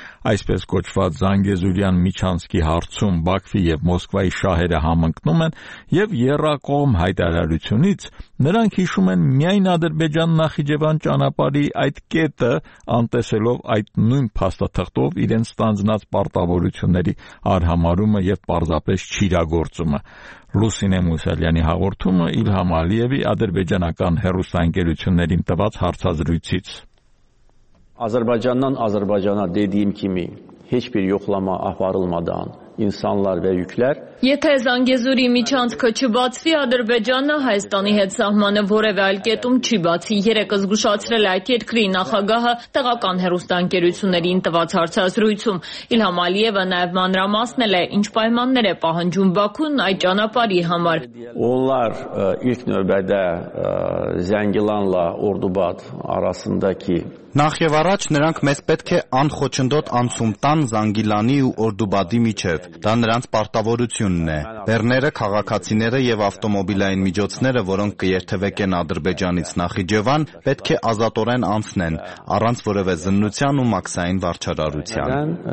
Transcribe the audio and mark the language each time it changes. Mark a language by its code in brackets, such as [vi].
[hy] այսպես կոչված Զանգեզուրյան Միջանսկի հարցում Բաքվի և Մոսկվայի շահերը համընկնում են, և Եռակողմ հայտարարությունից նրանք հիշում են միայն Ադրբեջան-Նախիջևան ճանապարհի այդ կետը, անտեսելով այդ նույն փաստաթղթով իրենց ստանձնած պարտավորությունների արհամարումը և պարզապես չիրագործումը։ Լուսինե Մուսալյանի հաղորդումը Իլհամ Ալիևի ադրբեջանական հեռուստաընկերություններին տված հարցազրույցից։ [az] Azerbaycan'dan Azerbaycan'a dediğim kimi hiçbir yoklama aparılmadan insanlar ve yükler [hy] Եթե Զանգեզուրի միջանցքը չբացվի, Ադրբեջանը Հայաստանի հետ սահմանը որևէ այլ կետում չի բացի, երեկ զգուշացրել այդ երկրի նախագահը տեղական հեռուստաընկերություններին տված հարցազրույցում։ Իլհամ Ալիևը նաև մանրամասնել է, ինչ պայմաններ է պահանջում Բաքուն այդ ճանապարհի համար։ [az] Onlar ilk nöbede Zangilan'la Ordubad arasındaki [hy] Նախ եւ առաջ նրանք մեզ պետք է անխոչնդոտ անցում տան Զանգիլանի ու Օրդուբադի միջև։ Դա նրանց պարտավոր ունե։ Բերները, քաղաքացիները եւ ավտոմոբիլային միջոցները, որոնք կերթվեկեն Ադրբեջանից Նախիջևան, պետք է ազատորեն անցնեն, առանց որևէ զննության ու մաքսային վարչարարության։